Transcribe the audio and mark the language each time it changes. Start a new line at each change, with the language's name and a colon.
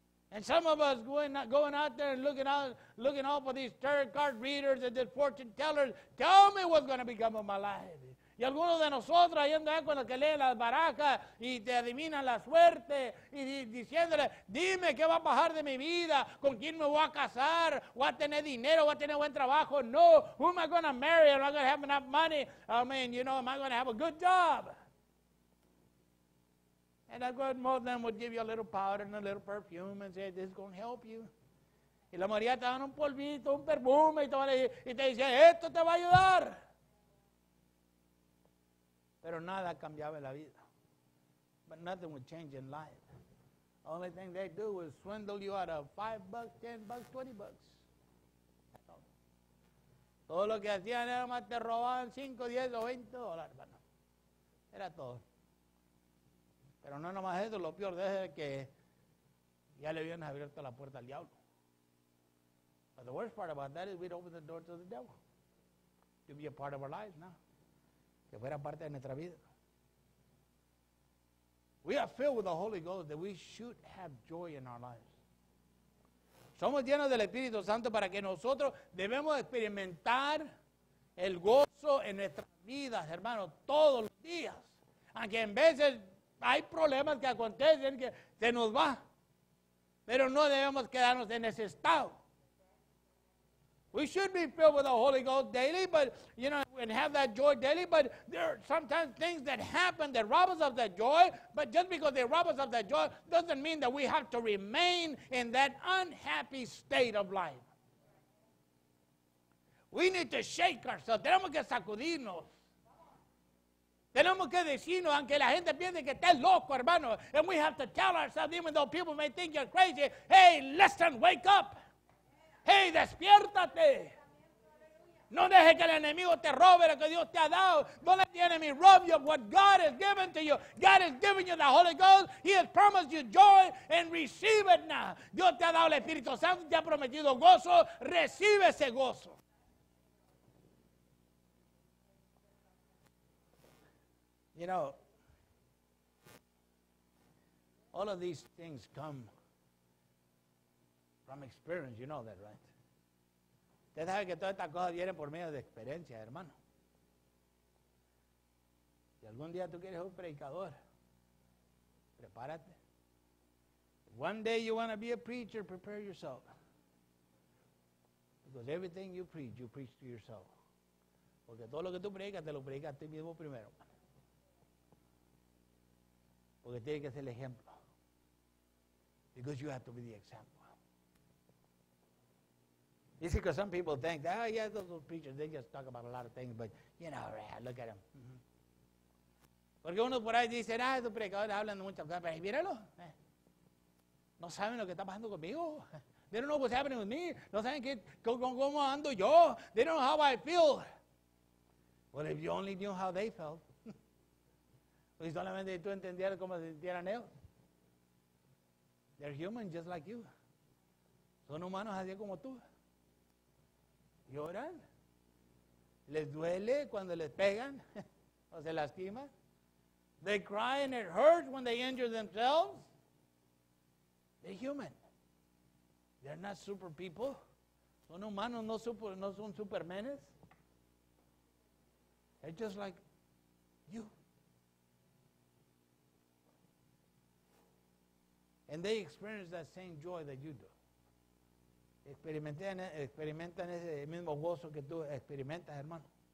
English: And some of us going out there and looking out for these tarot card readers and these fortune tellers, tell me what's going to become of my life.
Spanish: Y algunos de nosotros yendo ahí con los que leen las barajas y te adivinan la suerte y diciéndole, dime qué va a pasar de mi vida, con quién me voy a casar, voy a tener dinero, voy a tener buen trabajo, no.
English: Who am I going to marry? Am I going to have enough money? I mean, you know, am I going to have a good job? And that's what most of them would give you a little powder and a little perfume and say, this is going to help you.
Spanish: Y la María te da un polvito, un perfume, y te dice, esto te va a ayudar. Pero nada cambiaba en la vida.
English: But nothing would change in life. Only thing they do is swindle you out of $5, $10, $20.
Spanish: Todo lo que hacían era más te robaban $5, $10, $20, bueno, era todo. Pero no nomás eso, lo peor es que ya le habían abierto la puerta al diablo.
English: But the worst part about that is we'd open the door to the devil to be a part of our lives now.
Spanish: Que fuera parte de nuestra vida.
English: We are filled with the Holy Ghost that we should have joy in our lives.
Spanish: Somos llenos del Espíritu Santo para que nosotros debemos experimentar el gozo en nuestras vidas, hermanos, todos los días. Aunque en veces hay problemas que acontecen que se nos va, pero no debemos quedarnos en ese estado.
English: We should be filled with the Holy Ghost daily, but, you know, and have that joy daily. But there are sometimes things that happen that rob us of that joy. But just because they rob us of that joy doesn't mean that we have to remain in that unhappy state of life. We need to shake ourselves.
Spanish: Tenemos que sacudirnos. Tenemos que decirnos, aunque la gente piense que estás loco, hermano.
English: And we have to tell ourselves, even though people may think you're crazy, hey, listen, wake up.
Spanish: Hey, despiértate. No dejes que el enemigo te robe lo que Dios te ha dado.
English: Don't let the enemy rob you of what God has given to you. God has given you the Holy Ghost. He has promised you joy and receive it now.
Spanish: Dios te ha dado el Espíritu Santo, te ha prometido gozo. Recibe ese gozo.
English: You know, all of these things come from experience. You know that, right?
Spanish: Usted sabe que todas estas cosas vienen por medio de experiencia, hermano. Si algún día tú quieres un predicador, prepárate.
English: One day you want to be a preacher, prepare yourself. Because everything you preach to yourself.
Spanish: Porque todo lo que tú predicas, te lo predicas a ti mismo primero. Porque tiene que ser el ejemplo.
English: Because you have to be the example. You see, because some people think, oh, yeah, those preachers, they just talk about a lot of things, but, you know, right, look at them.
Spanish: Porque uno por ahí dice, ah, esos predicadores hablan de muchas cosas, pero míralo. No saben lo que está pasando conmigo.
English: They don't know what's happening with me.
Spanish: No saben cómo ando yo.
English: They don't know how I feel. Well, if you only knew how they felt,
Spanish: pues solamente tú entendieras cómo se sintieran ellos.
English: They're human just like you.
Spanish: Son humanos así como tú. Lloran. Les duele cuando les pegan o se lastiman.
English: They cry and it hurts when they injure themselves. They're human. They're not super people.
Spanish: Son humanos, no son supermenes.
English: They're just like you. And they experience that same joy that you do.
Spanish: Experimentan ese mismo gozo que tú experimentas, hermano.